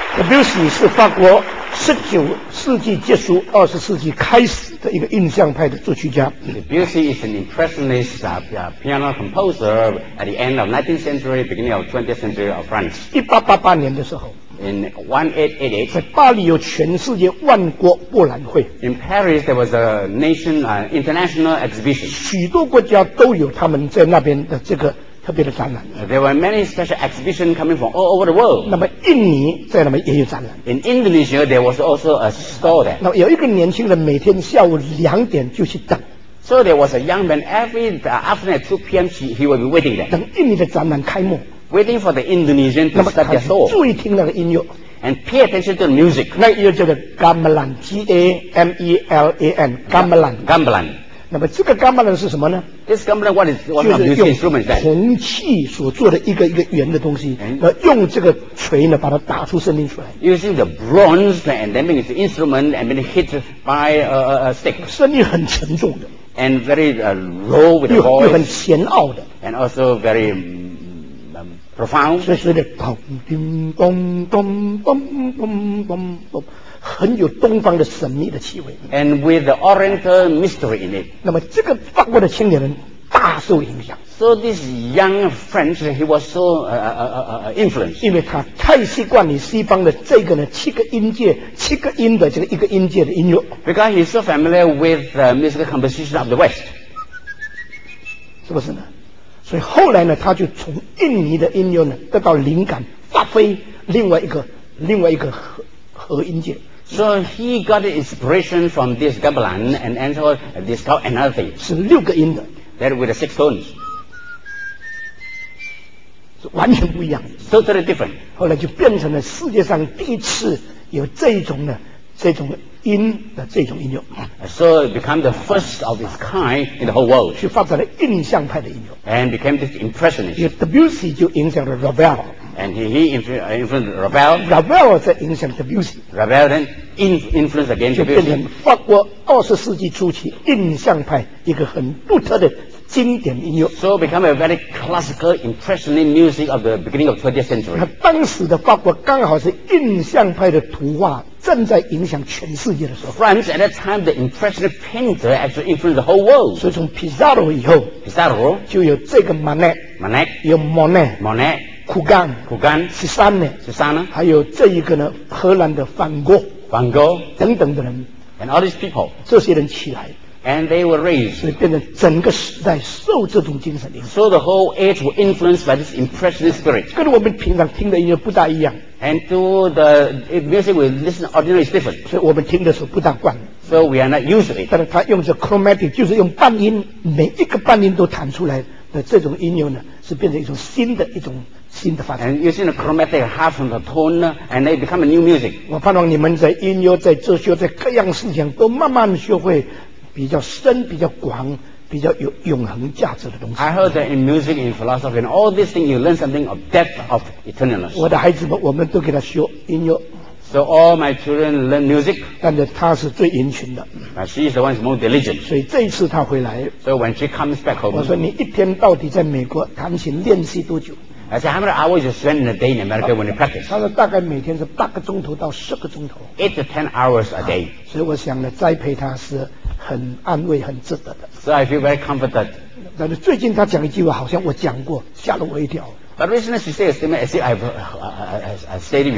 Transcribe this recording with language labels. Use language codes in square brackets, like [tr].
[zh] 刘禧是法国十九世纪结束二十世纪开始的一个印象派的作曲家。 [en] 刘禧 is an impressionist piano composer at the end of 19th century, beginning of 20th century of France. [zh] 1888年的时候。 [en] In 1888, [zh] 在巴黎有全世界万国博览会。 [en] In Paris, there was a nation, international exhibition. [zh] 许多国家都有他们在那边的这个特别的展览。 [en] There were many special exhibitions coming from all over the world. [zh] 那么印尼在那边也有展览。 [en] In Indonesia, there was also a store there. [zh] 那么有一个年轻人每天下午两点就去等。 [en] So there was a young man every afternoon at 2 p.m. he would be waiting there. [zh] 等印尼的展览开幕。 [en] Waiting for the Indonesian to start their show. [zh] 注意听那个音乐。 [en] And pay attention to the music. [zh] 那音乐叫做 gamelan, G-A-M-E-L-A-N, gamelan. [en] Gamelan. [zh] 那么这个 gamelan 是什么呢？ [en] This gamelan, what is one of the music instruments then? [zh] 铜器所做的一个圆的东西，那用这个锤呢，把它打出声音出来。 [en] Using the bronze and then make the instrument and then hit by a stick. [zh] 声音很沉重的。 [en] And very low with the voice. [zh] 又很险傲的。 [en] And also very... profound， [zh] 所以说的咚叮咚咚咚咚咚咚，很有东方的神秘的气味。 [en] And with the Oriental mystery in it， [zh] 那么这个法国的青年人大受影响。 [en] So this young French, he was so influenced， [zh] 因为他太习惯于西方的这个呢七个音阶、七个音的这个一个音阶的音乐。 [en] Because he's so familiar with the musical composition of the West， [zh] 是不是呢？所以后来呢，他就从印尼的音乐呢得到灵感，发挥另外一个和音阶。 [en] So he got the inspiration from this gamelan and also this called another thing. [zh] 是六个音的。 [en] That with the six tones. [zh] 是完全不一样。 [en] Totally different. [zh] 后来就变成了世界上第一次有这种呢，这种音的这种音乐。 [en] So it became the first of its kind in the whole world. [zh] 去发展了印象派的音乐。 [en] And became this impressionist. [zh] Debussy 就影响了 Ravel. [en] And he influenced Ravel. [zh] Ravel 在影响 Debussy. [en] Ravel then influenced again Debussy. [zh] 就变成法国二十世纪初期印象派一个很独特的经典音乐。 [en] So become a very classical impressionist music of the beginning of 20th century. [zh] 当时的法国刚好是印象派的图画正在影响全世界的时候。 [en] France at that time, the impressionist painter actually influenced the whole world. [zh] 所以从 Pizarro 以后 [en] ，Pizarro [zh] 就有这个 Manet， 有 Monet， Cugan， [en] Cezanne， [zh] 还有这一个呢，荷兰的梵高， [en] Van Gogh [zh] 等等的人 [en] ，and all these people， [zh] 这些人起来。 [en] And they were raised. [zh] 所以变成整个时代受这种精神的影响。 [en] So the whole age was influenced by this impressionist spirit. [zh] 跟我们平常听的音乐不大一样。 [en] And to the music we listen ordinarily is different. [zh] 所以我们听的时候不大惯。 [en] So we are not used to it. [zh] 但是他用这 chromatic， 就是用半音，每一个半音都弹出来的这种音乐呢，是变成一种新的一种。新的发展。 [en] And using a chromatic half of the tone, and they become a new music. [zh] 我盼望你们在音乐、在哲学、在各样事情都慢慢学会。比较深、比较广、比较有永恒价值的东西。 [en] I heard that in music, in philosophy, and all these things, you learn something of depth of eternalness. [zh] 我的孩子们，我们都给他学音乐。 [en] So all my children learn music. [zh] 但是他是最殷勤的。 [en] But she is the one who is most diligent. [zh] 所以这一次他回来。 [en] So when she comes back home. [zh] 我说你一天到底在美国弹琴练习多久？ [en] I said, how many hours you spend in a day in America when you practice? [zh] 他说大概每天是八个钟头到十个钟头。 [en] 8 to 10 hours a day. [zh] 所以我想呢，栽培他是。很安慰，很值得的。 [en] So I feel very comforted. [zh] 但是最近他讲一句话，好像我讲过，吓了我一跳。 [en] But recently she said a statement as if I've stated before.